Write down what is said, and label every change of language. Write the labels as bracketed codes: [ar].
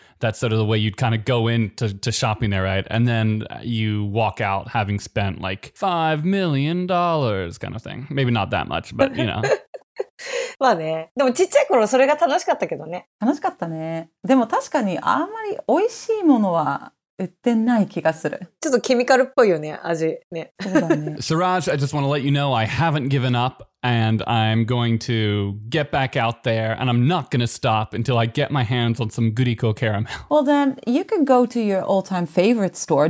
[en] That's sort of the way you'd kind of go into to shopping there, right? And then you walk out having spent like $5 million kind of thing. Maybe not that much, but you know. [ja] まあね、でもちっちゃい頃それが楽しかったけどね。楽しかったね。でも確かにあんまり美味しいものは売ってない気がする。ちょっとケミカルっぽいよね、味ね。そうだね。 [en] Siraj, I just want to let you know I haven't given up and I'm going to get back out there and I'm not going to stop until I get my hands on some Guriko caramel. Well then, you can go to your all-time favorite store.